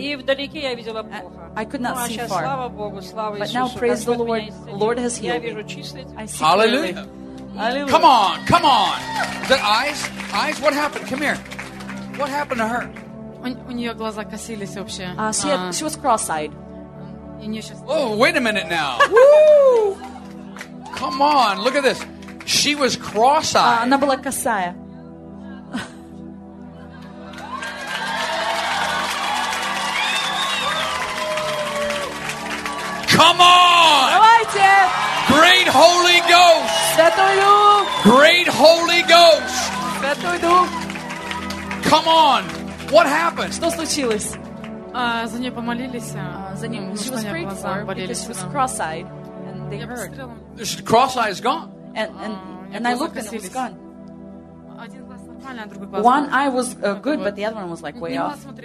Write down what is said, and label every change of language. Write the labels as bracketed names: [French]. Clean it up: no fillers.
[Russian] И вдалеке я видела плохо. [English] I could not see far. [Russian] Слава Богу, слава Иисусу. [English] But now praise the Lord, Lord has healed me. Hallelujah. Hallelujah. Come on, come on. Is that eyes? Eyes, what happened? Come here. What happened to her? [Russian] У нее глаза косились вообще. [English] She was cross-eyed. Oh, wait a minute now. Woo! Come on, look at this. She was cross-eyed. [Russian] Она была косая. [English] Come on! [Russian] Давайте! [English] Great Holy Ghost! [Russian] Святой Дух. [English] Great Holy Ghost. [Russian] Святой Дух. [English] Come on. What happened? [Russian] Что случилось? За ней помолились. За ним. [English] She was prayed for because she was cross-eyed. And they hurt. This cross-eye is gone. And I looked and it was gone. [Russian] Один глаз нормальный, а другой глаз. [English] One eye was good, but the other one was like way off.